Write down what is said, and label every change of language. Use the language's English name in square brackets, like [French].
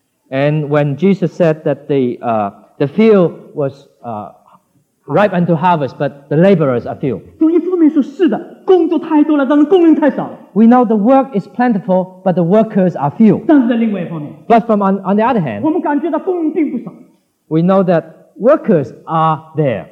[English] And when Jesus said that the field was ripe unto harvest, but the laborers are few. [Chinese] 主一方面说, 是的, 工作太多了, [English] we know the work is plentiful, but the workers are few. [Chinese] 但是在另外一方面, [English] but from on the other hand, we know that workers are there.